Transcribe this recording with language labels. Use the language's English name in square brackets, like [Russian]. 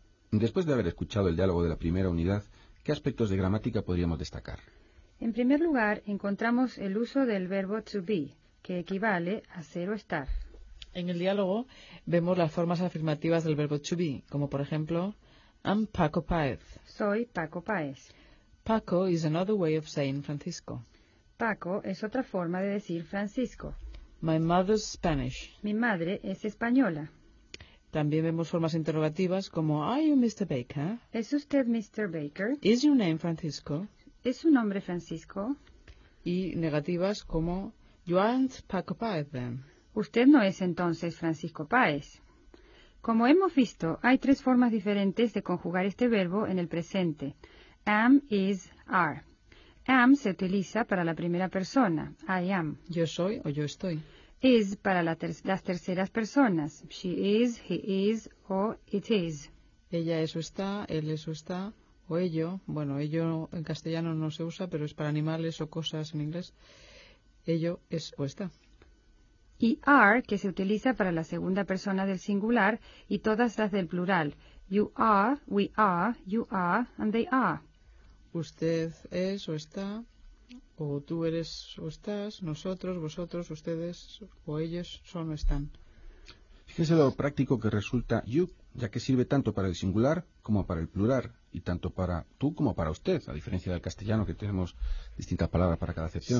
[Spanish] Después de haber escuchado el diálogo de la primera unidad, ¿qué aspectos de gramática podríamos destacar? En primer lugar, encontramos el uso del verbo to be, que equivale a ser o estar. En el diálogo vemos las formas afirmativas del verbo to be, como por ejemplo, [English] I'm Paco Páez. [Spanish] Soy Paco Páez. [English] Paco is another way of saying Francisco. [Spanish] Paco es otra forma de decir Francisco. [English] My mother's Spanish. [Spanish] Mi madre es española. También vemos formas interrogativas como, [English] are you Mr. Baker? [Spanish] ¿Es usted Mr. Baker? [English] Is your name Francisco? [Spanish] ¿Es su nombre Francisco? Y negativas como, [English] you aren't Paco Páez then. [Spanish] Usted no es entonces Francisco Páez. Como hemos visto, hay tres formas diferentes de conjugar este verbo en el presente. Am, is, are. Am se utiliza para la primera persona. [English] I am. [Spanish] Yo soy o yo estoy. Is para las terceras personas. [English] She is, he is, o it is. [Spanish] Ella es o está, él es o está, o ello. Bueno, ello en castellano no se usa, pero es para animales o cosas en inglés. Ello es o está. Y are, que se utiliza para la segunda persona del singular y todas las del plural. [English] You are, we are, you are, and they are. [Spanish] Usted es o está. O tú eres o estás, nosotros, vosotros, ustedes, o ellos son o están. Fíjese lo práctico que resulta you, ya que sirve tanto para el singular como para el plural, y tanto para tú como para usted, a diferencia del castellano, que tenemos distintas palabras para cada acepción.